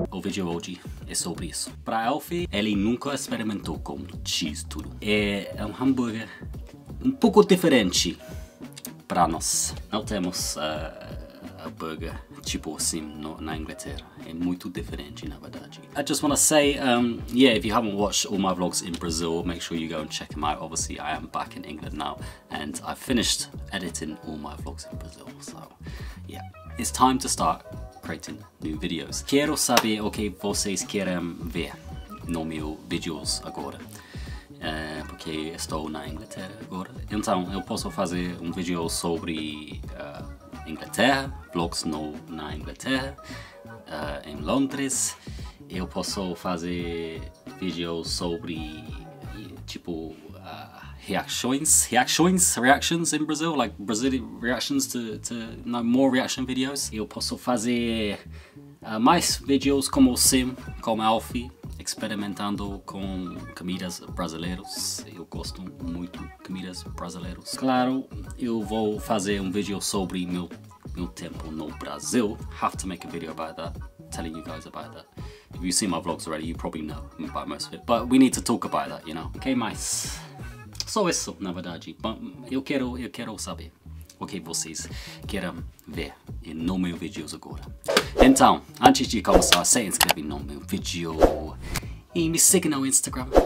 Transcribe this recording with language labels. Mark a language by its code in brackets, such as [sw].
[pt] O vídeo hoje é sobre isso. Para Elf, ele nunca experimentou com X-Tudo. É um hambúrguer um pouco diferente para nós. Não temos a burger tipo assim no, na Inglaterra. É muito diferente, na verdade. [en] I just want to say, if you haven't watched all my vlogs in Brazil, make sure you go and check them out. Obviously, I am back in England now, and I've finished editing all my vlogs in Brazil. So, yeah, it's time to start creating new videos. [pt] Quero saber o que vocês querem ver no meu vídeos agora. Porque estou na Inglaterra agora. Então, eu posso fazer um vídeo sobre Inglaterra, vlogs na Inglaterra, em Londres. Eu posso fazer vídeos sobre, tipo, [en] reactions in Brazil, like Brazilian reactions more reaction videos. [pt] Eu posso fazer mais vídeos como sim, como Alfie, experimentando com comidas brasileiras. Eu gosto muito de comidas brasileiras. Claro, eu vou fazer um vídeo sobre meu tempo no Brasil. [en] Have to make a video about that, telling you guys about that. If you've seen my vlogs already, you probably know about most of it. But we need to talk about that, you know? [pt] Ok, mas só isso, na verdade. Eu quero saber o que vocês querem ver no meu vídeo agora. Então, antes de começar, se inscreve no meu vídeo e me siga no Instagram.